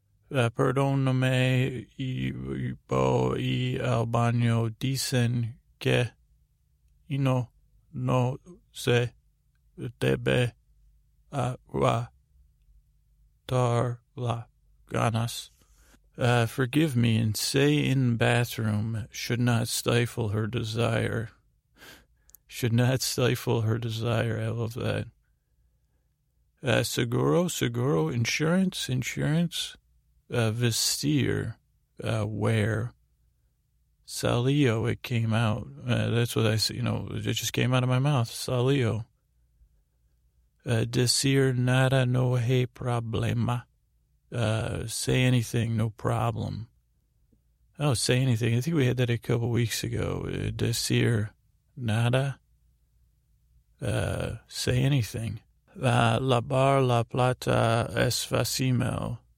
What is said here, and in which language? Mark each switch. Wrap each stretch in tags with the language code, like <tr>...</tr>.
<es>Perdóname y al baño dicen que. Y no se debe aguantar las ganas.</es> <en>Forgive me and say in bathroom should not stifle her desire. Should not stifle her desire. I love that.</en> <es>Seguro,</es> <en>insurance.</en> <es>Vestir,</es> <en>wear.</en> <es>Salio,</es> <en>it came out. That's what I see. You know, it just came out of my mouth.</en> <es>Salio. Decir nada, no hay problema.</es> <en>Say anything, no problem. Oh, say anything. I think we had that a couple weeks ago.</en> <es>Decir nada.</es> <en>Say anything.</en> <es>Lavar la plata es facimel.</es>